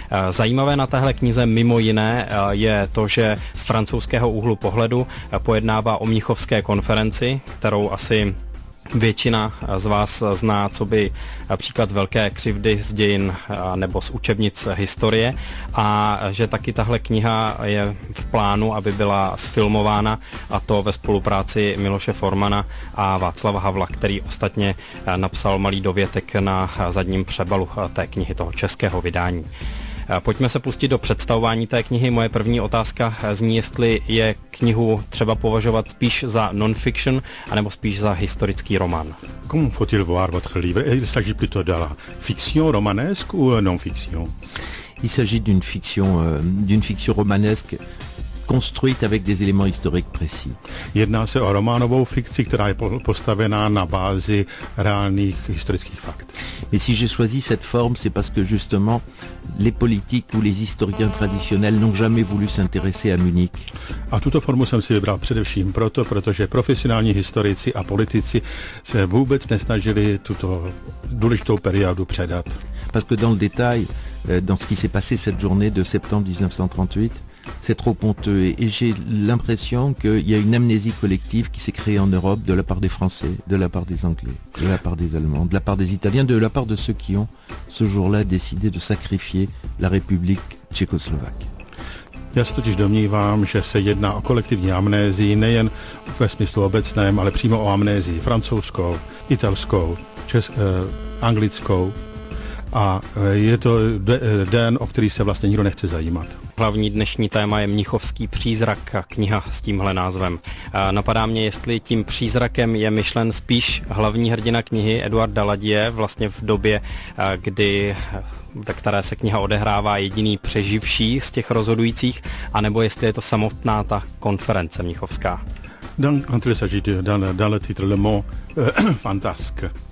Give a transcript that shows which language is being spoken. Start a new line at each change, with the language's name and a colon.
Czech: Zajímavé na téhle knize mimo jiné je to, že z francouzského úhlu pohledu pojednává o mnichovské konferenci, kterou asi většina z vás zná, co by například velké křivdy z dějin nebo z učebnic historie, a že taky tahle kniha je v plánu, aby byla sfilmována, a to ve spolupráci Miloše Formana a Václava Havla, který ostatně napsal malý dovětek na zadním přebalu té knihy, toho českého vydání. Pojďme se pustit do představování té knihy. Moje první otázka zní, jestli je knihu třeba považovat spíš za non-fiction, anebo spíš za historický román.
French: Comment faut-il voir votre livre? Il s'agit plutôt de la fiction romanesque ou non-fiction? Il s'agit d'une fiction romanesque construite avec des éléments historiques précis.
Czech: Jedná se o románovou fikci, která je postavená na bázi reálných historických fakt.
French: Mais si j'ai choisi cette forme, c'est parce que justement les politiques ou les historiens traditionnels n'ont jamais voulu s'intéresser à Munich.
Czech: A tuto formu jsem si vybral především proto, protože profesionální historici a politici se vůbec nesnažili tuto důležitou periodu předat.
French: Parce que dans le détail, dans ce qui s'est passé cette journée de septembre 1938, c'est trop honteux, et j'ai l'impression qu'il y a une amnésie collective qui s'est créée en Europe de la part des Français, de la part des Anglais, de la part des Allemands, de la part des Italiens, de la part de ceux qui ont ce jour-là décidé de sacrifier la République tchécoslovaque.
Czech: Já se totiž domnívám, že se jedná o kolektivní amnézii, nejen ve smyslu obecném, ale přímo o amnézii francouzskou, italskou, anglickou. A je to den, o který se vlastně nikdo nechce zajímat. Hlavní dnešní téma je Mnichovský přízrak, kniha s tímhle názvem. Napadá mě, jestli tím přízrakem je myšlen spíš hlavní hrdina knihy Eduard Daladier, vlastně v době, kdy, ve které se kniha odehrává, jediný přeživší z těch rozhodujících, anebo jestli je to samotná ta konference mnichovská.
French: Entre s'agit dans le titre le mot fantasque.